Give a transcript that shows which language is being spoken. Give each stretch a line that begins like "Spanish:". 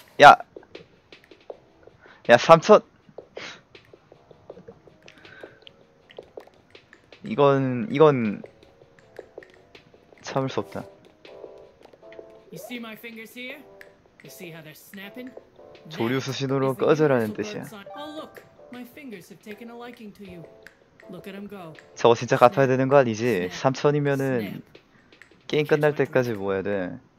Korean: 야, 야 3천. 이건. 참을 수 없다.
English: You see my fingers here? You see how they're snapping?
Korean: 조류 수신호로 꺼져라는 뜻이야.
English: Oh, look. My fingers have taken a liking to you. Look at them go.
Korean: 저거 진짜 갚아야 되는 거 아니지? 3천이면은 게임 끝날 때까지 모아야 돼.